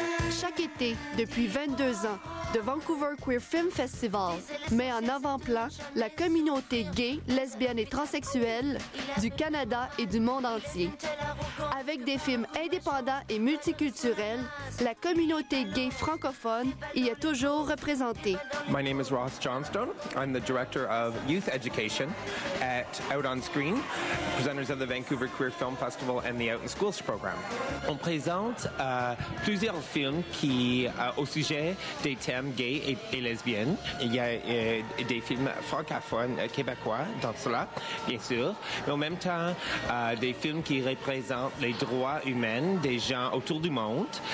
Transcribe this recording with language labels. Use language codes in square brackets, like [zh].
[fr] Chaque été, depuis 22 ans, The Vancouver Queer Film Festival met en avant-plan la communauté gay, lesbienne et transsexuelle du Canada et du monde entier. Avec des films indépendants et multiculturels, la communauté gay francophone y est toujours représentée. [en] My name is Ross Johnstone. I'm the director of youth education at Out on Screen, presenters of the Vancouver Queer Film Festival and the Out in Schools program. [fr] On présente plusieurs films qui au sujet des thèmes gays et lesbiennes. Il y a des films francophones québécois dans cela, bien sûr, mais en même temps des films qui représentent les droits humains des gens autour du monde.